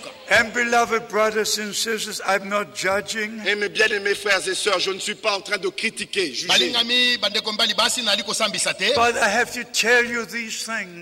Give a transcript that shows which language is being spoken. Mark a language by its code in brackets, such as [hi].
[en] And beloved brothers and sisters, I'm not judging. [fr] Et mes bien-aimés frères et sœurs, je ne suis pas en train de critiquer, juger. [en] But I have to tell you these things.